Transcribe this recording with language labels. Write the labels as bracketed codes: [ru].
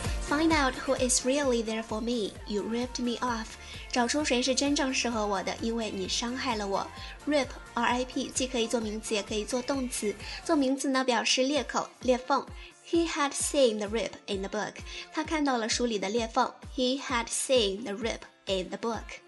[en] Find out who is really there for me. You ripped me off. [zh] 找出谁是真正适合我的，因为你伤害了我。Rip, R-I-P, 既可以做名词，也可以做动词。做名词呢，表示裂口、裂缝。 [en] He had seen the rip in the book. [zh] 他看到了书里的裂缝。 [en] He had seen the rip in the book.